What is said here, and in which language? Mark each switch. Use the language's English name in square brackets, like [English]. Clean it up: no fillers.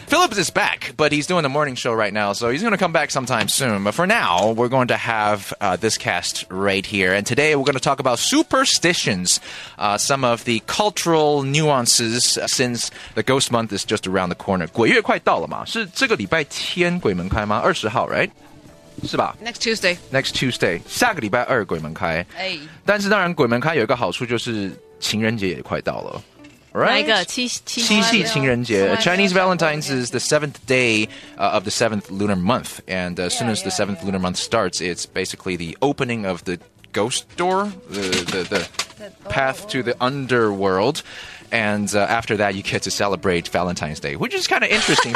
[English] Phillips is back, but he's doing the morning show right now, so he's going to come back sometime soon. But for now, we're going to have this cast right here. And today, we're going to talk about superstitions, some of the cultural nuances, since the ghost month is just around the corner. [Chinese] 鬼月快到了吗? 是这个礼拜天鬼门开吗? 20号, right? 是吧? [English] Next Tuesday. [Chinese] 下个礼拜二鬼门开. 但是当然鬼门开有一个好处就是情人节也快到了。哪一个？七夕情人节。 [English] Chinese Valentine's is the seventh day of the seventh lunar month. And as soon as the seventh lunar month starts, it's basically the opening of the ghost door, the path to the underworld. And after that, you get to celebrate Valentine's Day, which is kind of interesting.